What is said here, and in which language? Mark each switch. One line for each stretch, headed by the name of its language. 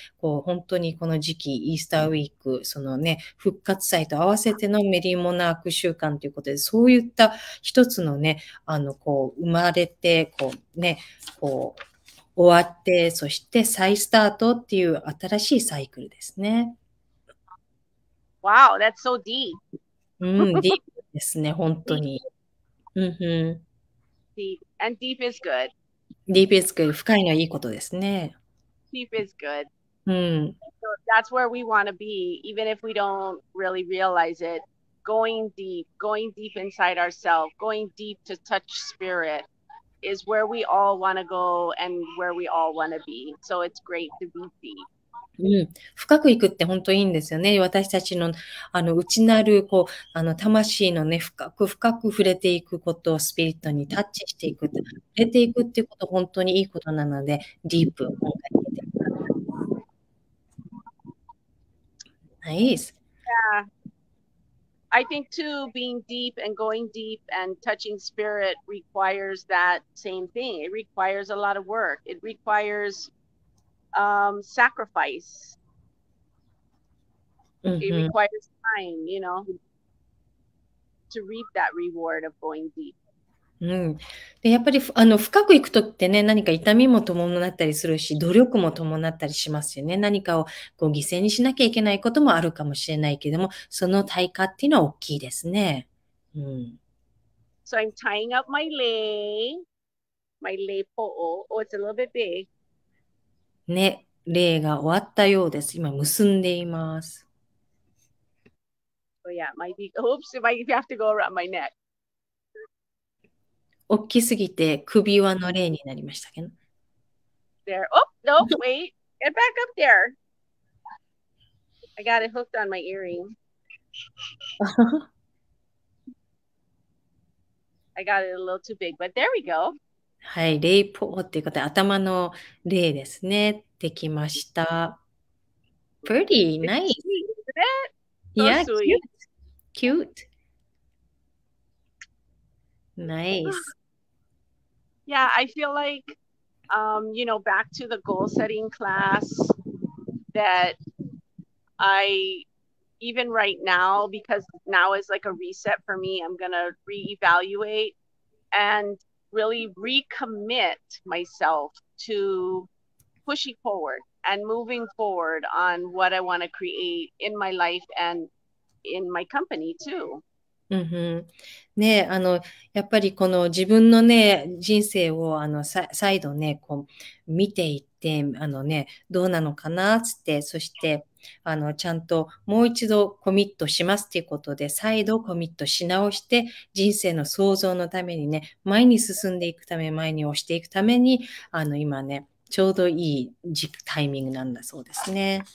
Japanese: こう本当にこの時期、イースターウィーク、そのね、復活祭と合わせてのメリモナーク週間ということで、そういった一つのね、あの、こう生まれて、こうね、こう、終わって、そして再スタートっていう新しいサイクルですね。
English: Wow, that's so deep.
Japanese: うん、deep ですね、本当に。うんうん。
English: Deep. And deep is good. Deep is good.
Japanese: 深いのはいいことですね。
English: Deep is good.
Japanese: うん。
English: So that's where we want to be, even if we don't really realize it. Going deep inside ourselves, going deep to touch spirit. Is where we all want to go and where we all want to be. So it's great to be deep.
Japanese: うん、深く行くって本当にいいんですよね。私たちの、あの、内なる、こう、あの、魂のね、深く深く触れていくことをスピリットにタッチしていく、触れていくっていうこと本当にいいことなので、ディープ。ナイス。
English: Yeah. I think too, being deep and going deep and touching spirit requires that same thing. It requires a lot of work. It requires sacrifice. Mm-hmm. It requires time, you know, to reap that reward of going deep.
Japanese: うん、でやっぱりあの深く行くときってね、何か痛みも伴ったりするし、努力も伴ったりしますよね。何かをこう犠牲にしなきゃいけないこともあるかもしれないけども、その対価っていうのは大きいですね。うん、
English: so I'm tying up my lay po'o. Oh, it's a little bit big.
Japanese: ね、礼が終わったようです。今結んでいます。
English: Oh yeah, my big. Oops, it might have to go around my neck.
Japanese: 大きすぎて首輪の例になりましたけど。
English: There. Oh, no, wait. Get back up there. I got it hooked on my earring. I got it a little too big, but there we go.
Japanese: はい、レイポーっていうことで、頭のレイですね。できました。
English: Pretty nice. Yeah, sweet. cute. Nice. Yeah, I feel like, you know, back to the goal setting class that I, even right now, because now is like a reset for me, I'm going to reevaluate and really recommit myself to pushing forward and moving forward on what I want to create in my life and in my company too.
Japanese: うんうん、ねえ、やっぱりこの自分のね、人生を再度ね、こう見ていって、ね、どうなのかなつって、そしてちゃんともう一度コミットしますということで、再度コミットし直して、人生の創造のためにね、前に進んでいくため、前に押していくために、今ね、ちょうどいい時タイミングなんだそうですね。